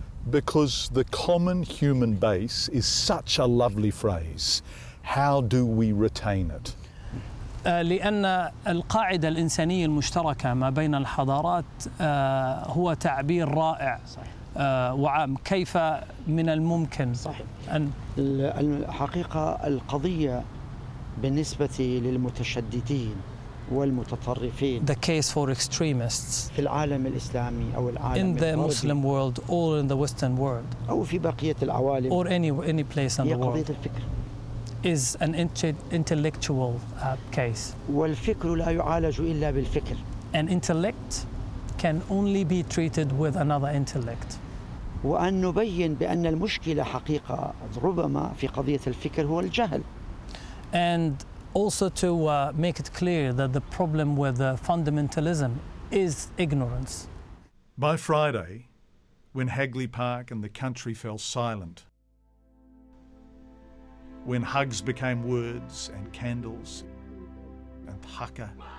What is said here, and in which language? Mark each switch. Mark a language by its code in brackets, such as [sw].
[en] Because the common human base is such a lovely phrase. How do we retain it? [ar] لأن القاعدة الإنسانية المشتركة ما بين الحضارات هو تعبير رائع وعام. كيف من الممكن أن الحقيقة القضية بالنسبة للمتشددين والمتطرفين [en] The case for extremists [ar] في العالم الإسلامي أو العالم [en] In the Muslim world or in the Western world [ar] أو في بقية العوالم [en] Or any place in the world [ar] هي قضية الفكر [en] is an intellectual case. [ar] والفكر لا يعالج إلا بالفكر. [en] An intellect can only be treated with another intellect. [ar] وأن نبين بأن المشكلة حقيقة ربما في قضية الفكر هو الجهل. [en] And also to make it clear that the problem with the fundamentalism is ignorance. By Friday, when Hagley Park and the country fell silent, when hugs became words and candles and haka.